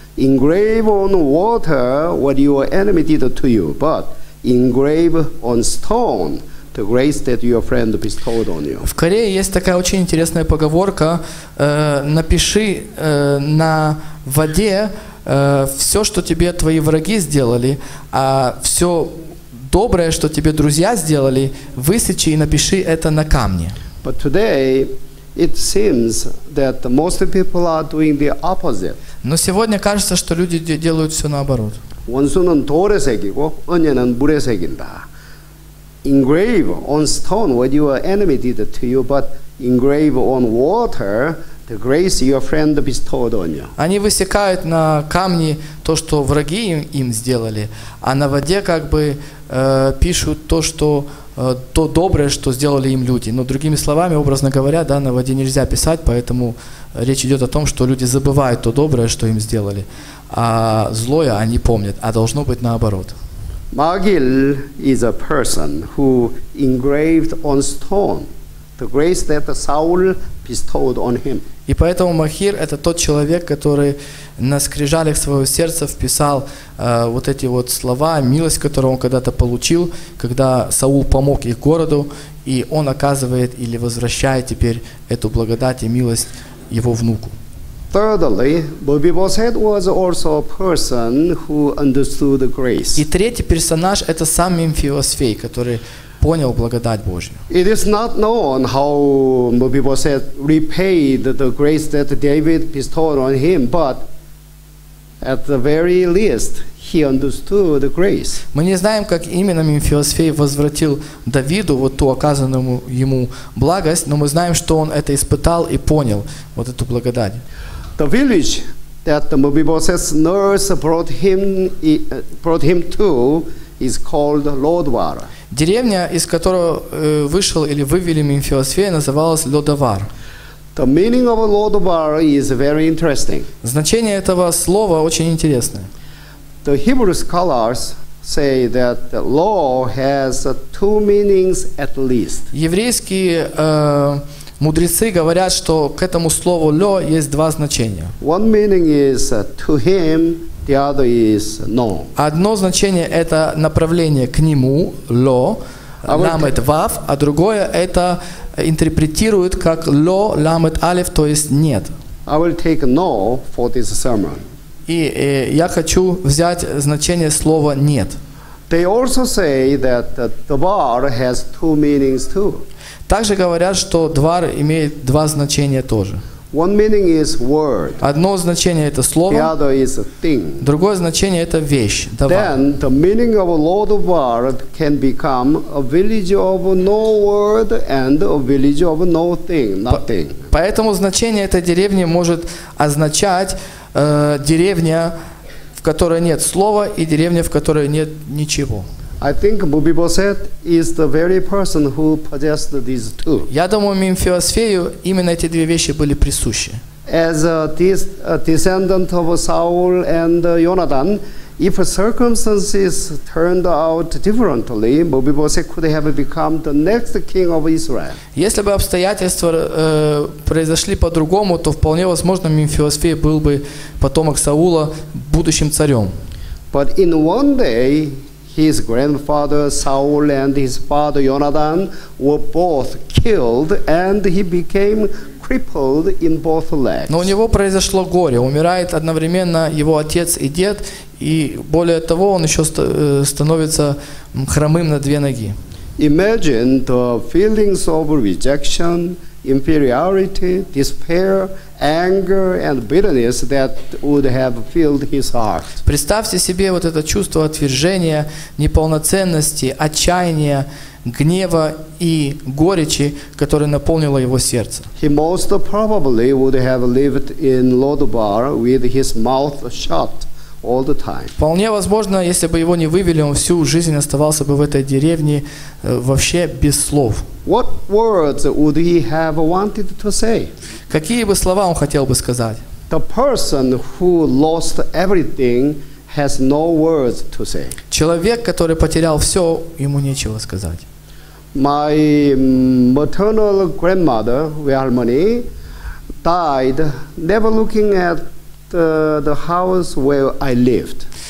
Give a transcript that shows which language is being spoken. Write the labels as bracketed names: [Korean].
[English] Engrave on water what your enemy did to you, but engrave on stone the grace that your friend bestowed on you. [Russian] В Корее есть такая очень интересная поговорка: напиши на воде все, что тебе твои враги сделали, а все доброе, что тебе друзья сделали, высечи и напиши это на камне. [English] But today it seems that most people are doing the opposite. [Russian] Но сегодня кажется, что люди делают все наоборот. [Korean] 원수는 돌에 새기고 은혜는 물에 새긴다. [English] Engrave on stone what your enemy did to you, but engrave on water the grace your friend bestowed on you. [Russian] Они высекают на камне то, что враги им сделали, а на воде как бы пишут то, что то доброе, что сделали им люди. Но другими словами, образно говоря, да, на воде нельзя писать, поэтому речь идет о том, что люди забывают то доброе, что им сделали, а злое они помнят, а должно быть наоборот. [English] Magil is a person who engraved on stone the grace that Saul bestowed on him. [Russian] И поэтому Махир – это тот человек, который на скрижалях своего сердца вписал вот эти вот слова, милость, которую он когда-то получил, когда Саул помог их городу, и он оказывает или возвращает теперь эту благодать и милость его внуку. [English] Thirdly, Mephibosheth was also a person who understood the grace. [Russian] И третий персонаж – это сам Мефибосфей, который понял благодать Божью. [English] It is not known how Mephibosheth repaid the grace that David bestowed on him, but at the very least he understood the grace. [Russian] Мы не знаем, как именно Мефибосфей возвратил Давиду вот ту оказанную ему благость, но мы знаем, что он это испытал и понял вот эту благодать. [English] The village that Mephibosheth's nurse brought him to is called Lodwar. [Russian] Деревня, из которой вышел или вывели Мефибосфея, называлась Лодовар. [English] The meaning of Lodovar is very interesting. [Russian] Значение этого слова очень интересное. [English] The Hebrew scholars say that Lo has two meanings at least. [Russian] Еврейские мудрецы говорят, что к этому слову Лё есть два значения. [English] One meaning is to him. The other is no. [Russian] Одно значение – это направление к нему, ло, ламет вав, а другое – это интерпретирует как ло, ламет алев, то есть нет. [English] I will take no for this sermon. [Russian] И я хочу взять значение слова нет. [English] They also say that the bar has two meanings too. [Russian] Также говорят, что двар имеет два значения тоже. [English] One meaning is word. [Russian] Одно значение это слово. [English] The other is a thing. [Russian] Другое значение это вещь. Давар. [English] Then the meaning of a lord of war can become a village of no word and a village of no thing, nothing. [Russian] Поэтому значение этой деревни может означать деревня, в которой нет слова, и деревня, в которой нет ничего. [English] I think Mephibosheth is the very person who possessed these two. [Russian] Я думаю, Мефибосфею именно эти две вещи были присущи. [English] As a descendant of Saul and Jonathan, if circumstances turned out differently, Mephibosheth could have become the next king of Israel. [Russian] Если бы обстоятельства произошли по-другому, то вполне возможно, Мефибосфей был бы потомок Саула, будущим царем. [English] But in one day, his grandfather Saul and his father Jonathan were both killed, and he became crippled in both legs. [Russian] Но у него произошло горе. Умирает одновременно его отец и дед, и более того, он еще становится хромым на две ноги. [English] Imagine the feelings of rejection, inferiority, despair, anger and bitterness that would have filled his heart. [Russian] Представьте себе вот это чувство отвержения, неполноценности, отчаяния, гнева и горечи, которое наполнило его сердце. [English] He most probably would have lived in Lodabar with his mouth shut all the time. [Russian] Вполне возможно, если бы его не вывели, он всю жизнь оставался бы в этой деревне вообще без слов. [English] What words would he have wanted to say? [Russian] Какие бы слова он хотел бы сказать? [English] The person who lost everything has no words to say. [Russian] Человек, который потерял все, ему нечего сказать. [English] My maternal grandmother, Wilmoni, died never looking at the house where I lived.